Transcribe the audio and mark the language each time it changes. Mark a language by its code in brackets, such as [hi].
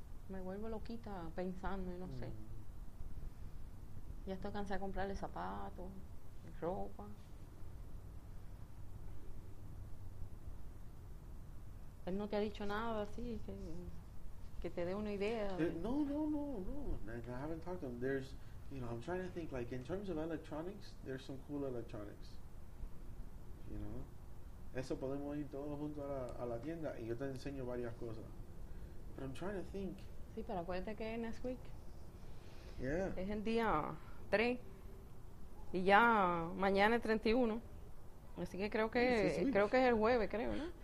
[es] Me vuelvo loquita pensando y no sé. Ya estoy cansada de comprarle zapatos, ropa. Él no te ha dicho nada así, que te dé una idea. [en] No. I haven't talked to him. There's, you know, I'm trying to think, like, in terms of electronics, there's some cool electronics. You know? [es] Eso podemos ir todos juntos a la tienda y yo te enseño varias cosas. [en] But I'm trying to think. [es] Sí, pero acuérdate que es [en] next week. Yeah. [es] Es el día 3. Y ya mañana es 31. Así que creo que es el jueves, creo, ¿no?